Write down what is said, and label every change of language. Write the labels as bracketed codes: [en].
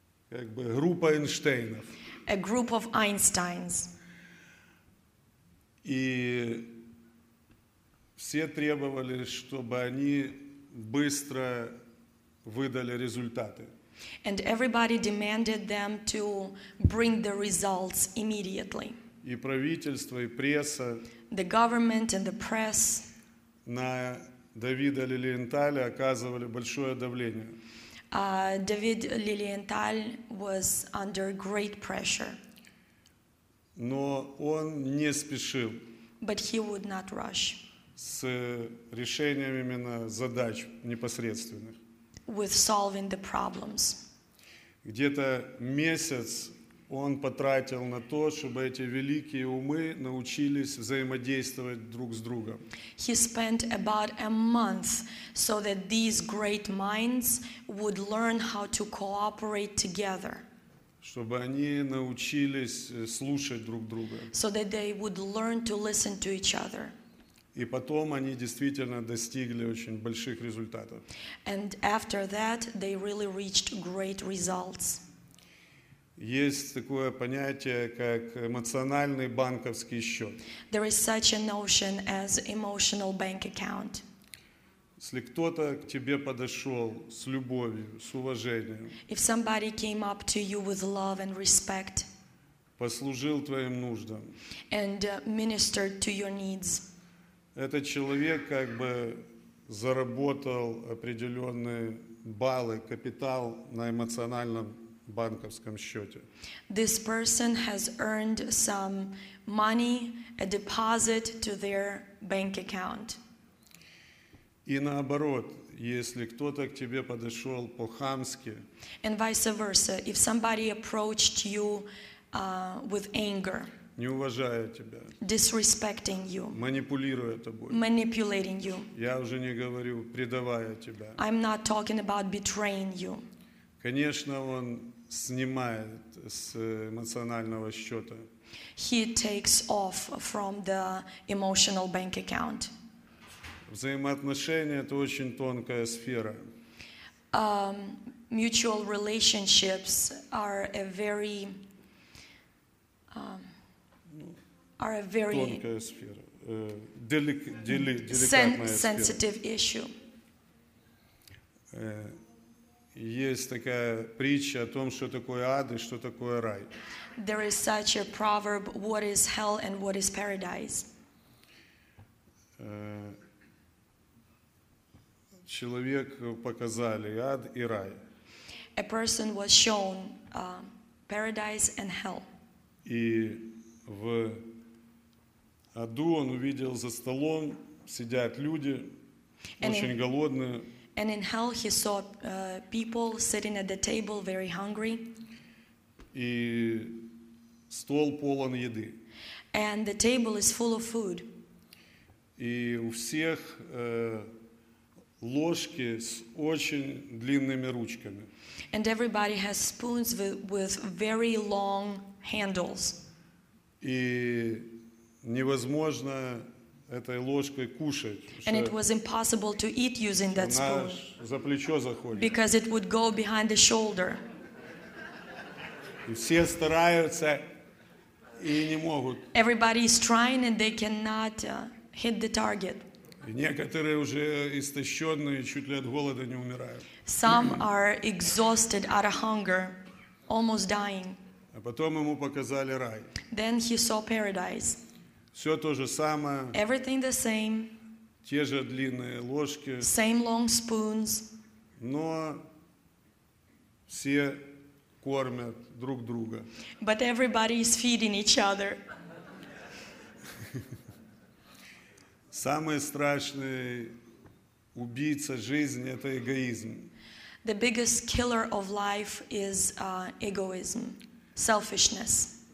[ru] как бы группа Эйнштейнов. [en] A group of Einsteins. [ru] И все требовали, чтобы они быстро выдали результаты. [en] And everybody demanded them to bring the results immediately. [ru] И правительство, и пресса. [en] The government and the press. [ru] На Давида Лилиенталя оказывали большое давление. [en] David Lilienthal was under great pressure. [ru] Но он не спешил. [en] But he would not rush. [ru] С решением именно задач непосредственных. [en] With solving the problems. [ru] Где-то месяц он потратил на то, чтобы эти великие умы научились взаимодействовать друг с другом. [en] He spent about a month so that these great minds would learn how to cooperate together. [ru] Чтобы они научились слушать друг друга. [en] So that they would learn to listen to each other. [ru] И потом они действительно достигли очень больших результатов. [en] And after that, they really reached great results. [ru] Есть такое понятие, как эмоциональный банковский счет. [en] There is such a notion as emotional bank account. [ru] Если кто-то к тебе подошел с любовью, с уважением, [en] if somebody came up to you with love and respect, [ru] послужил твоим нуждам, [en] and ministered to your needs, [ru] этот человек как бы заработал определенные баллы, капитал на эмоциональном банковском счете. [en] This person has earned some money, a deposit to their bank account. [ru] И наоборот, если кто-то к тебе подошел по-хамски, [en] and vice versa, if somebody approached you with anger, [ru] не уважая тебя, [en] disrespecting you, [ru] манипулируя тобой, [en] manipulating you, [ru] я уже не говорю предавая тебя, [en] I'm not talking about betraying you. [ru] Конечно, он снимает с эмоционального счета. [en] He takes off from the emotional bank account. [ru] Взаимоотношения — это очень тонкая сфера. [en] Mutual relationships are a very [ru] тонкая сфера. Деликатная [en] sensitive [ru] сфера. [en] Issue. [ru] Есть такая притча о том, что такое ад и что такое рай. [en] There is such a proverb, what is hell and what is paradise. [ru] Человек показали ад и рай. [en] A person was shown paradise and hell. [ru] И в аду он увидел за столом сидят люди, and очень in... голодные. [en] And in hell he saw people sitting at the table very hungry. [ru] И стол полон еды. [en] And the table is full of food. [ru] И у всех ложки с очень длинными ручками. [en] And everybody has spoons with very long handles. [ru] И невозможно этой ложкой кушать. [en] And it was impossible to eat using that spoon. [ru] За плечо заходит. [en] Because it would go behind the shoulder. [ru] И все стараются и не могут. [en] Everybody is trying and they cannot hit the target. [ru] И некоторые уже истощенные, чуть ли от голода не умирают. [en] Some are exhausted out of hunger, almost dying. [ru] А потом ему показали рай. [en] Then he saw paradise. [ru] Все то же самое. [en] Everything the same. [ru] Те же длинные ложки. [en] Same long spoons. [ru] Но все кормят друг друга. [en] But everybody is feeding each other. [ru] Самый страшный убийца жизни — это эгоизм. [en] The biggest killer of life is egoism, selfishness.